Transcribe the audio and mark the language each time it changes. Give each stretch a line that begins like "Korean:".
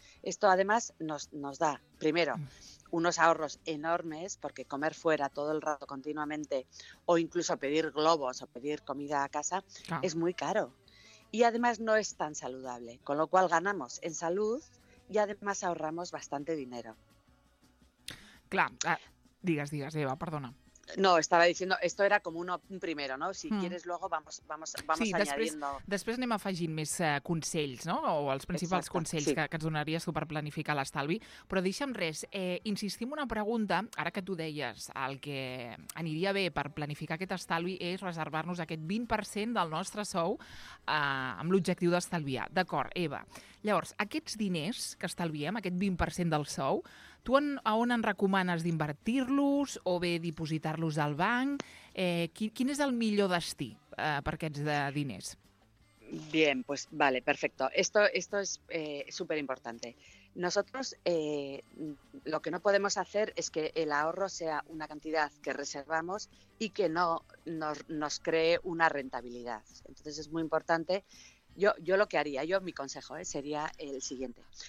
Spanish: Esto además nos da, primero, unos ahorros enormes, porque comer fuera todo el rato continuamente o incluso pedir globos o pedir comida a casa es muy caro. Y además no es tan saludable, con lo cual ganamos en salud y además ahorramos bastante dinero.
Catalan: Clar, Digas, digas, Eva, perdona.
Spanish: No, estaba diciendo, esto era como uno primero, ¿no? Si quieres luego vamos
Catalan: sí,
Spanish: añadiendo...
Catalan: Sí, després anem afegint més consells, ¿no? O els principals Exacte, consells sí. que ens donaries tu per planificar l'estalvi. Però deixa'm res, insistim una pregunta, ara que tu deies el que aniria bé per planificar aquest estalvi és reservar-nos aquest 20% del nostre sou amb l'objectiu d'estalviar. D'acord, Eva. Llavors, aquests diners que estalviem, aquest 20% del sou, tu on en recomanes d'invertir-los o bé dipositar-los al banc? Quin és el millor destí per aquests diners?
Spanish: Bien, pues vale, perfecto. Esto es súper importante. Nosotros lo que no podemos hacer es que el ahorro sea una cantidad que reservamos y que no nos cree una rentabilidad. Entonces es muy importante... Yo lo que haría, mi consejo sería el siguiente.